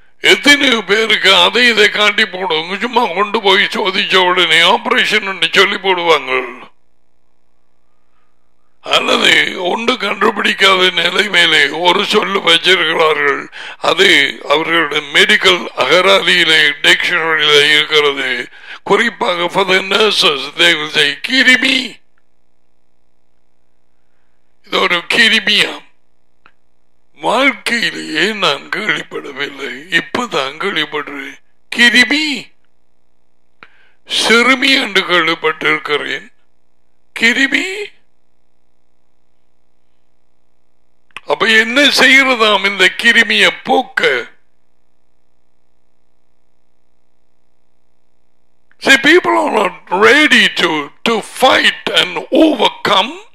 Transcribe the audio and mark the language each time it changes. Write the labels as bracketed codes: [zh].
[ta] எத்தனை பேருக்கு அதை இதை காட்டி போடுவாங்க. சும்மா கொண்டு போய் சோதிச்ச உடனே ஆபரேஷன் சொல்லி போடுவாங்க. அல்லது ஒன்று கண்டுபிடிக்காத நிலைமையிலே ஒரு சொல்லு வச்சிருக்கிறார்கள். அது அவர்களுடைய மெடிக்கல் அகராதியிலே, டிக்ஷனரியிலே இருக்கிறது. குறிப்பாக [en] for the nurses they will say [ta] கிருமி. இது ஒரு கிருமியா? வாழ்க்கையிலேயே நான் கேள்விப்படவில்லை, இப்பதான் கேள்விப்படுறேன். கிருமி, சிறுமி என்று கேள்விப்பட்டிருக்கிறேன். கிருமி, அப்ப என்ன செய்யறதாம் இந்த கிருமிய போக்க? [en] See, people are not ready to fight and overcome.